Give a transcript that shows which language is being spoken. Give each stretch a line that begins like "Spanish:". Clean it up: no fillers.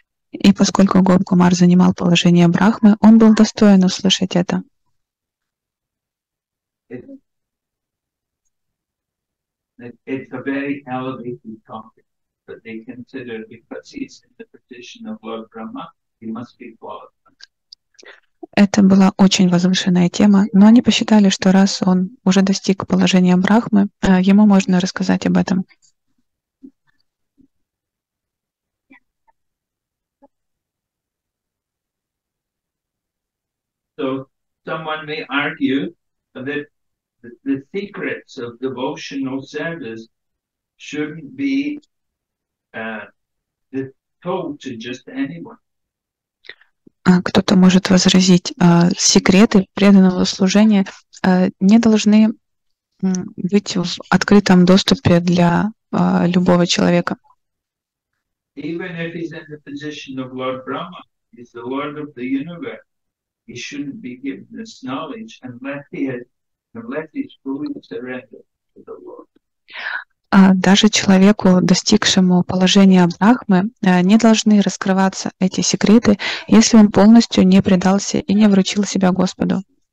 Russian: И поскольку Гопкумар занимал положение Брахмы, он был достоин услышать это.
English: It's a very elevated topic, but they consider because he's in the position of Lord Brahma, he must be qualified.
Russian: Это была очень возвышенная тема, но они посчитали, что раз он уже достиг положения Брахмы, ему можно рассказать об этом.
English: So someone may argue that the secrets of devotional service shouldn't be told to just anyone.
Russian: Кто-то может возразить, секреты преданного служения не должны быть в открытом доступе для любого человека.
English: Even if he's in the position of Lord Brahma, he's the Lord of the universe. He shouldn't be given this knowledge unless he's fully surrendered to the Lord.
Russian: Даже человеку, достигшему положения Брахмы, не должны раскрываться эти секреты, если он полностью не предался и не вручил себя Господу.